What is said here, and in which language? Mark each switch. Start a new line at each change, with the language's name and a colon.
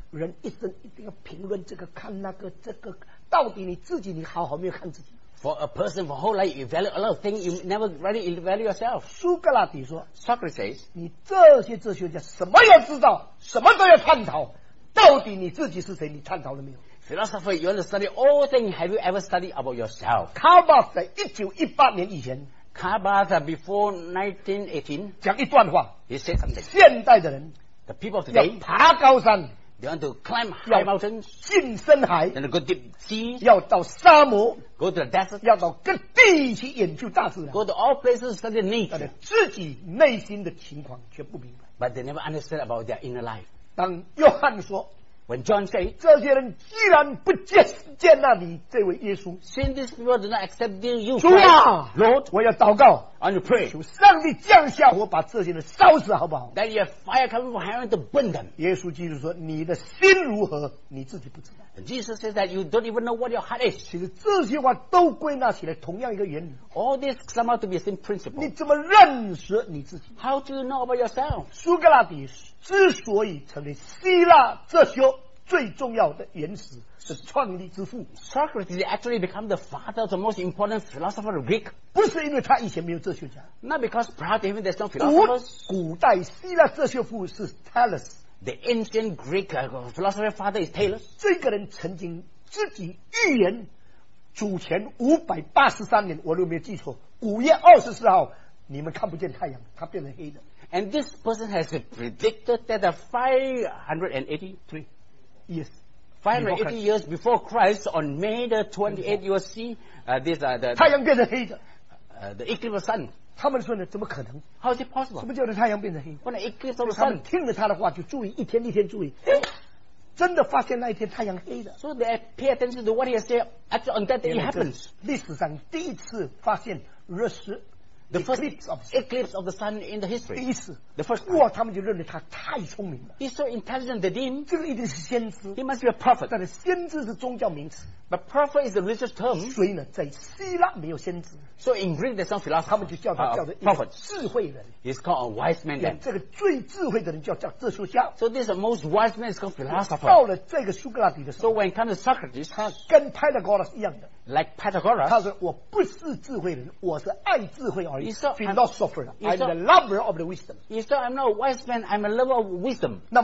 Chinese: 人一生一定要评论这个看那个这个到底你自己你好好没有看自己
English: For a person for whole life, you value a lot of things, you never really value yourself.
Chinese: 苏格拉底说
English: Socrates says,
Chinese: 你这些哲学家什么要知道，什么都要探讨，到底你自己是谁？你探讨了没有？
English: Philosopher, you want to study all things. Have you ever studied about yourself?
Chinese: 卡巴在1918年以前
English: Karl Barth before 1918
Chinese: 讲一段话
English: He said something.
Chinese: 现代的人
English: The people today
Chinese: 要爬高山
English: You want to climb high mountains?
Chinese: 进深海,
English: you want to go deep sea?
Chinese: 要到沙漠,
English: go to the desert?
Chinese: 要到各地去研究大自然,
English: go to all places to study nature?
Chinese: 但自己内心的情况却不明白,
English: but they never understood about their inner life.
Chinese: 当约翰说,
English: when John said,
Chinese: 这些人既然不接见那里这位耶稣,
English: since these people do not accept you,
Chinese: 主啊,
English: Lord,
Chinese: 我要祷告,
English: and you pray,
Chinese: 求上帝降下火把这些人烧死好不好?
English: That your fire coming from heaven to burn them.
Chinese: 耶稣基督说, 你的心如何, 你自己不知道。
English: And Jesus says that you don't even know what your heart is.
Chinese: 其实这些话都归纳起来同样一个原理。
English: All this come out to be the same principle.
Chinese: 你怎么认识你自己?
English: How do you know about yourself?
Chinese: 苏格拉底 之所以成为希腊哲学最重要的原始，是创立之父。
English: Socrates actually became the father of the most important philosopher of Greek.
Chinese: 不是因为他以前没有哲学家。
English: Not because prior to him there's no philosophers.
Chinese: 古代希腊哲学父是 Thales.
English: The ancient Greek philosopher father is Thales.
Chinese: 这个人曾经自己预言主前583年，我如果没有记错，5月24号，你们看不见太阳，它变成黑的。
English: And this person has predicted that the 583 years, 580 years before Christ, on May the 28th, you will see this the
Chinese: 太阳变成黑的,
English: the eclipse of the sun.
Chinese: 他们说呢，怎么可能?
English: How is it possible?
Chinese: 什么叫做太阳变成黑?
English: When the eclipse of the sun.
Chinese: 他们听了他的话，就注意一天一天注意。真的发现那一天太阳黑的。
English: So they pay attention to what he has said. Actually, on that day it happens.
Chinese: 历史上第一次发现日食。
English: The first eclipse of the sun in the history.
Chinese: 第一次,
English: the first.
Chinese: 哇，他们就认为他太聪明了。
English: He's so intelligent that him.
Chinese: 这个一定是先知。
English: He must be a prophet.
Chinese: 但是先知是宗教名词。
English: But prophet is a religious term.
Chinese: 所以呢, 在希腊没有先知。
English: So in Greek there's no philosopher.
Chinese: 他们就叫他叫做prophet. 智慧人。
English: He's called a wise man then.
Chinese: 这个最智慧的人叫哲学家。
English: So this is the most wise man is called philosopher.
Chinese: 到了这个苏格拉底的时候,
English: so when it comes to Socrates,
Chinese: 他跟 Pythagoras 一样的。
English: Like Pythagoras,
Chinese: 他说我不是智慧人，我是爱智慧而已。
English: Philosopher, I'm the lover of the wisdom. He said, I'm not a wise man, I'm a lover of wisdom.